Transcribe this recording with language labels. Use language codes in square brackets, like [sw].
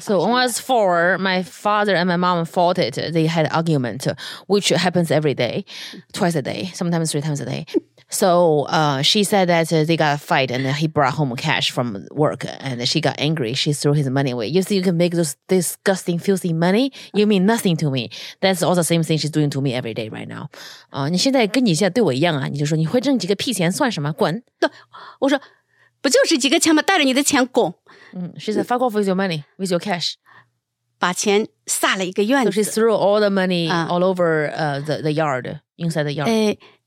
[en] So when I was four, my father and my mom fought it. They had an argument, which happens every day, twice a day, sometimes three times a day. So she said that they got a fight and he brought home cash from work and she got angry. She threw his money away. You see, you can make this disgusting, filthy money. You mean nothing to me. That's all the same thing she's doing to me every day right now. [zh] 你现在跟你现在对我一样啊，你就说你会挣几个屁钱算什么，滚。我说不就是几个钱吗，带着你的钱滚。 [en] She said, fuck off with your money, with your cash. [zh] 把钱撒了一个院子。 [en] So she threw all the money all over the yard, inside the yard.